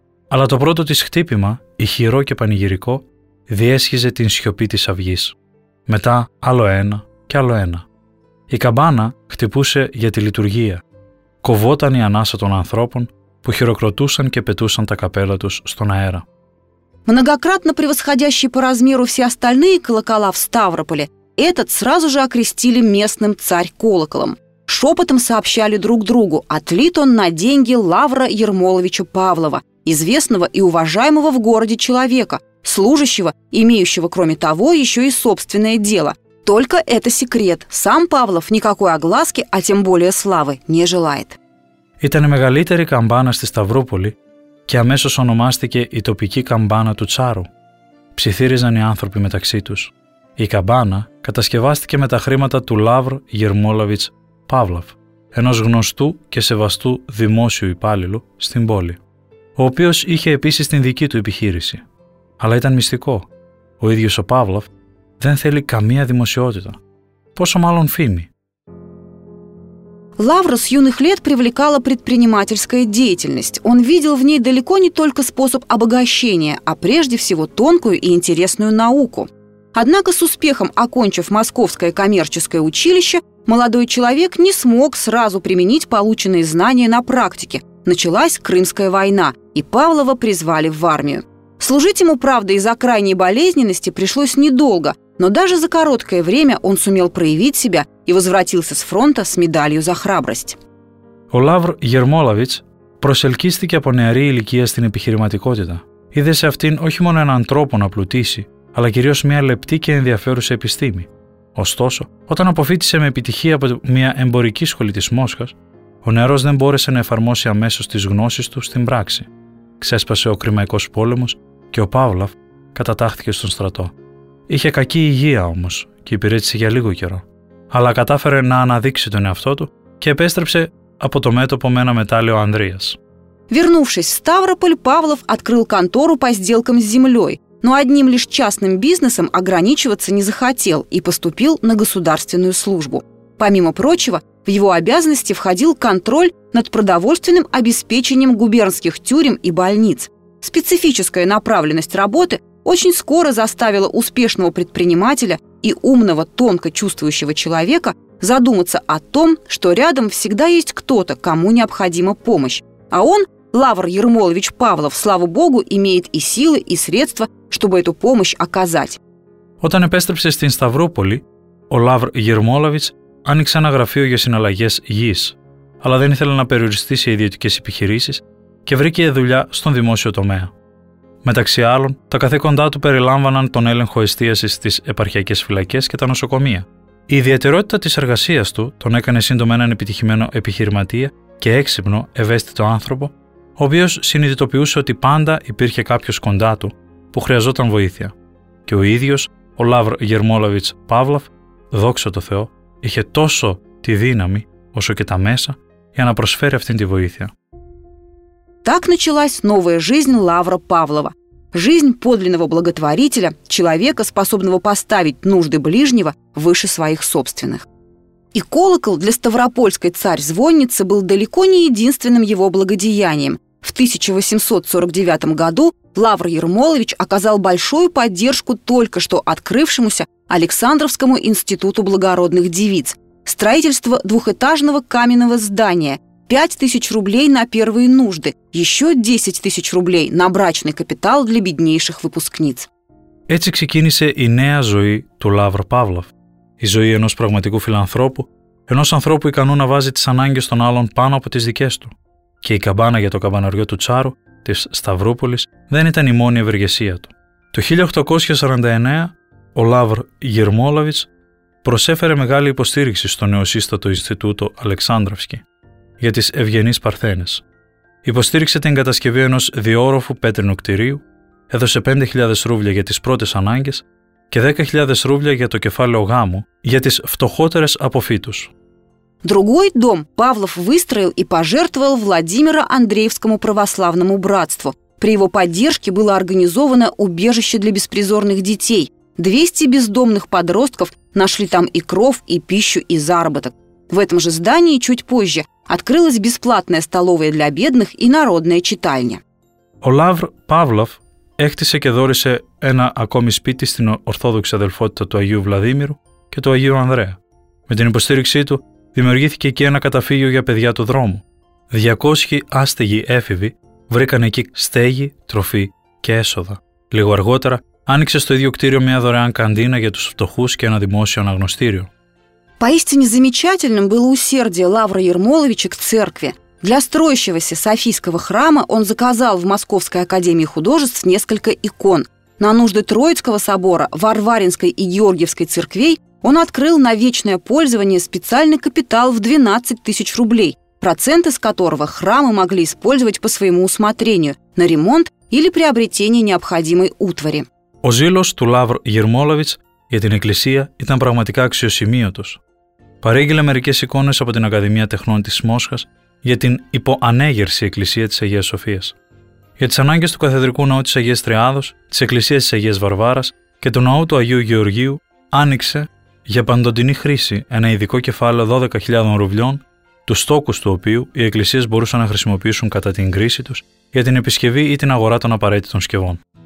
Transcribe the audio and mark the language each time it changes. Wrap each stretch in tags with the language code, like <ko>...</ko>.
<el>Αλλά το πρώτο της χτύπημα, ηχηρό και πανηγυρικό, διέσχιζε την σιωπή της αυγής. Μετά άλλο ένα και άλλο ένα. Η καμπάνα χτυπούσε για τη λειτουργία. Κοβόταν η ανάσα των ανθρώπων που χειροκροτούσαν και πετούσαν τα καπέλα τους στον αέρα.</el> <ru>Многократно превосходящий по размеру все остальные колокола в Ставрополе, этот сразу же окрестили местным царь-колоколом. Шепотом сообщали друг другу, отлит он на деньги Лавра Ермоловича Павлова, известного и уважаемого в городе человека, служащего, имеющего кроме того еще и собственное дело. Только это секрет. Сам Павлов никакой огласки, а тем более славы, не желает.</ru> <el>Ήταν η μεγαλύτερη καμπάνα στη Σταυρούπολη και αμέσως ονομάστηκε η τοπική καμπάνα του Τσάρου. Ψιθύριζαν οι άνθρωποι μεταξύ τους. Η καμπάνα κατασκευάστηκε με τα χρήματα του Λαύρ Γερμόλαβιτς Παύλαβ, ενός γνωστού και σεβαστού δημόσιου υπάλληλου στην πόλη, ο οποίος είχε επίσης την δική του επιχείρηση. Αλλά ήταν μυστικό. Ο ίδιος ο Παύλαβ δεν θέλει καμία δημοσιότητα. Πόσο μάλλον φήμη.</el> <ru>Лавра с юных лет привлекала предпринимательская деятельность. Он видел в ней далеко не только способ обогащения, а прежде всего тонкую и интересную науку. Однако с успехом окончив Московское коммерческое училище, молодой человек не смог сразу применить полученные знания на практике. Началась Крымская война, и Павлова призвали в армию. Служить ему, правда, из-за крайней болезненности пришлось недолго, но даже за короткое время он сумел проявить себя и возвратился с фронта с медалью за храбрость.</ru> <el>Ο Λαύρ Γερμόλαβιτς προσελκύστηκε από νεαρή ηλικία στην επιχειρηματικότητα. Είδε σε αυτήν όχι μόνο έναν τρόπο να πλουτίσει, αλλά κυρίως μια λεπτή και ενδιαφέρουσα επιστήμη. Ωστόσο, όταν αποφύτησε με επιτυχία από μια εμπορική σχολή της Μόσχας, ο νεαρός δεν μπόρεσε να εφαρμόσει αμέσως τις γνώσεις του στην πράξη. Ξέσπασε ο Κρυμαϊκός πόλεμος και ο Παύλαβ κατατάχθηκε στον στρατό. Είχε κακή υγεία όμως και υπηρέτησε για λίγο καιρό. Αλλά κατάφερε να αναδείξει τον εαυτό του και επέστρεψε από το μέτωπο με ένα μετάλλιο Ανδρείας.</el> <ru>Вернувшись в Ставрополь, Павлов открыл контору по сделкам с землей, но одним лишь частным бизнесом ограничиваться не захотел и поступил на государственную службу. Помимо прочего, в его обязанности входил контроль над продовольственным обеспечением губернских тюрем и больниц. Специфическая направленность работы очень скоро заставила успешного предпринимателя и умного, тонко чувствующего человека задуматься о том, что рядом всегда есть кто-то, кому необходима помощь. А он, Лавр Ермолович Павлов, слава богу, имеет и силы, и средства, чтобы эту помощь оказать.</ru> <el>Όταν επέστρεψε στην Σταυρούπολη, ο Λαύρ Γερμόλαβιτς άνοιξε ένα γραφείο για συναλλαγές γης. αλλά δεν ήθελε να περιοριστεί σε ιδιωτικές επιχειρήσεις και βρήκε δουλειά στον δημόσιο τομέα. Μεταξύ άλλων, τα καθήκοντά του περιλάμβαναν τον έλεγχο εστίασης στις επαρχιακές φυλακές και τα νοσοκομεία. Η ιδιαιτερότητα της εργασίας του τον έκανε σύντομα έναν επιτυχημένο επιχειρηματία και έξυπνο, ευαίσθητο άνθρωπο, ο οποίος συνειδητοποιούσε ότι πάντα υπήρχε κάποιος κοντά του που χρειαζόταν βοήθεια. Και ο ίδιος, ο Λαύρ Γερμόλαβιτς Παύλαφ, δόξα τω Θεώ, είχε τόσο τη δύναμη, όσο και τα μέσα, για να προσφέρει αυτήν τη βοήθεια.</el> <ru>Так началась новая жизнь Лавра Павлова. Жизнь подлинного благотворителя, человека, способного поставить нужды ближнего выше своих собственных. И колокол для Ставропольской царь-звонницы был далеко не единственным его благодеянием. В 1849 году Лавр Ермолович оказал большую поддержку только что открывшемуся Александровскому институту благородных девиц. Строительство двухэтажного каменного здания – 5000 рублей на первые нужды, еще 10000 рублей на брачный капитал для беднейших выпускниц.</ru> <el>Έτσι ξεκίνησε η νέα ζωή του Λαύρ Παύλαφ. Η ζωή ενός πραγματικού φιλανθρώπου, ενός ανθρώπου ικανού να βάζει τις ανάγκες των άλλων πάνω από τις δικές του. Και η καμπάνα για το καμπαναριό του Τσάρου, της Σταυρούπολης, δεν ήταν η μόνη ευεργεσία του. Το 1849, ο Λαύρ Γερμόλαβιτς προσέφερε μεγάλη υποστήριξη στο νεοσύστατο Ινστιτούτο Αλεξάνδραυσκι για τις ευγενείς παρθένες. Υποστήριξε την κατασκευή ενός διόροφου πέτρινου κτηρίου, έδωσε 5.000 ρούβλια για τις πρώτες ανάγκες και 10.000 ρούβλια για το κεφάλαιο γάμου για τις φτωχότερες από φύτους.</el> <ru>Другой дом Павлов выстроил и пожертвовал Владимиро-Андреевскому православному братству. При его поддержке было организовано убежище для беспризорных детей. 200 бездомных подростков нашли там и кров, и пищу, и заработок. В этом же здании чуть позже открылась бесплатная столовая для бедных и народная читальня.</ru> <el>Ο Λαύρ Παύλαφ έκτισε και δόρισε ένα ακόμη σπίτι στην Ορθόδοξη Αδελφότητα του Αγίου Βλαδίμηρου και του Αγίου Ανδρέα. Με την υποστήριξή του δημιουργήθηκε εκεί ένα καταφύγιο για παιδιά του δρόμου. 200 άστεγοι έφηβοι βρήκαν εκεί στέγη, τροφή και έσοδα. Λίγο αργότερα άνοιξε στο ίδιο κτίριο μια δωρεάν καντίνα για τους φτωχούς και ένα δημόσιο αναγνωστήριο.</el> <ru>Поистине замечательным было усердие Лавра Ермоловича к церкви. Для строящегося Софийского храма он заказал в Московской академии художеств несколько икон. На нужды Троицкого собора, Варваринской и Георгиевской церквей он открыл на вечное пользование специальный капитал в 12000 рублей, проценты с которого храмы могли использовать по своему усмотрению на ремонт или приобретение необходимой утвари.</ru> <el>Ο ζήλος του Λαύρ Γερμόλαβιτς για την Εκκλησία ήταν πραγματικά αξιοσημείωτος. Παρήγγειλε μερικές εικόνες από την Ακαδημία Τεχνών της Μόσχας για την υποανέγερση Εκκλησία της Αγίας Σοφίας. Για τις ανάγκες του Καθεδρικού Ναού της Αγίας Τριάδος, της Εκκλησίας της Αγίας Βαρβάρας και του Ναού του Αγίου Γεωργίου άνοιξε για παντοντινή χρήση ένα ειδικό κεφάλαιο 12.000 ρουβλιών, τους στόκους του οποίου οι εκκλησίες μπορούσαν να χρησιμοποιήσουν κατά την κρίση τους για την επισκευή ή την αγορά των απαραίτητων σκευών.</el>